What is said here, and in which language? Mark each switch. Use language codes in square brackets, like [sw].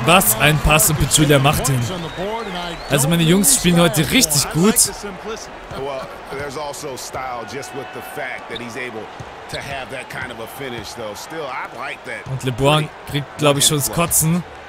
[de] Was ein Pass und Pitulia macht ihn. Also meine Jungs spielen heute richtig gut. [en] Well, there's also style just with the fact that he's able to have that kind of a finish though. Still, I like that. [de] Und LeBron kriegt, glaube ich, schon das Kotzen.